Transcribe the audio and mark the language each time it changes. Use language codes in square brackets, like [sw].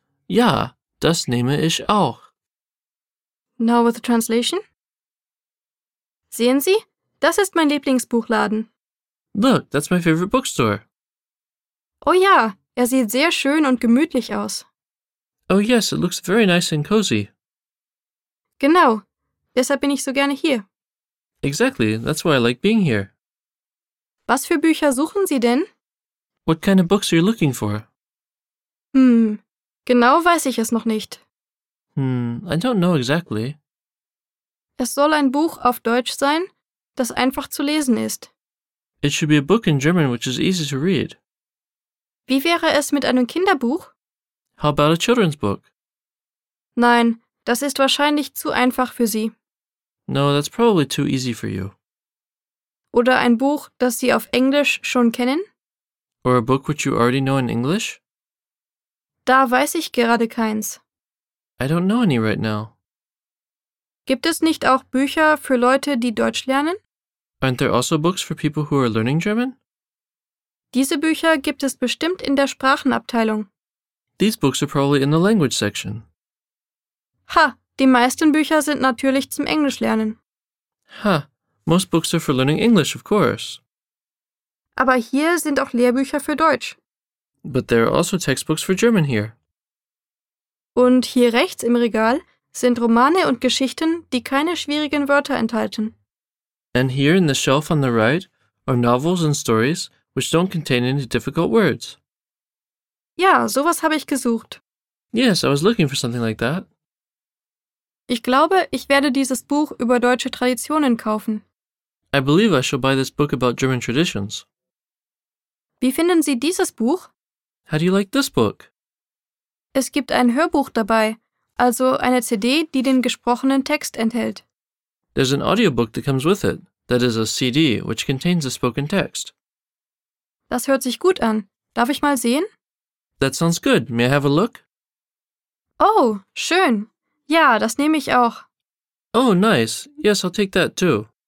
[de] Ja, das nehme ich auch. [en] Now with the translation. [de] Sehen Sie, das ist mein Lieblingsbuchladen. [en] Look, that's my favorite bookstore. [de] Oh ja, er sieht sehr schön und gemütlich aus. [en] Oh yes, it looks very nice and cozy. [de] Genau, deshalb bin ich so gerne hier. [en] Exactly, that's why I like being here. [de] Was für Bücher suchen Sie denn? [en] What kind of books are you looking for? [de] Genau weiß ich es noch nicht. [en] I don't know exactly. [de] Es soll ein Buch auf Deutsch sein, das einfach zu lesen ist. [en] It should be a book in German which is easy to read. [de] Wie wäre es mit einem Kinderbuch? [en] How about a children's book? [de] Nein, das ist wahrscheinlich zu einfach für Sie. [en] No, that's probably too easy for you. [de] Oder ein Buch, das Sie auf Englisch schon kennen? [en] Or a book which you already know in English? [de] Da weiß ich gerade keins. [en] I don't know any right now. [de] Gibt es nicht auch Bücher für Leute, die Deutsch lernen? [en] Aren't there also books for people who are learning German? [de] Diese Bücher gibt es bestimmt in der Sprachenabteilung. [en] These books are probably in the language section. [de] Ha, die meisten Bücher sind natürlich zum Englischlernen. [en] Ha, Most books are for learning English, of course. [de] Aber hier sind auch Lehrbücher für Deutsch. [en] But there are also textbooks for German here. [de] Und hier rechts im Regal sind Romane und Geschichten, die keine schwierigen Wörter enthalten. [en] And here in the shelf on the right are novels and stories which don't contain any difficult words. [de] Ja, sowas habe ich gesucht. [en] Yes, I was looking for something like that. [de] Ich glaube, ich werde dieses Buch über deutsche Traditionen kaufen. [en] I believe I shall buy this book about German traditions. [de] Wie finden Sie dieses Buch? [en] How do you like this book? [de] Es gibt ein Hörbuch dabei, also eine CD, die den gesprochenen Text enthält. [en] There's an audiobook that comes with it, that is a CD, which contains the spoken text. [de] Das hört sich gut an. Darf ich mal sehen? [en] That sounds good. May I have a look? [de] Oh, schön. Ja, das nehme ich auch. [en] Oh, nice. Yes, I'll take that too.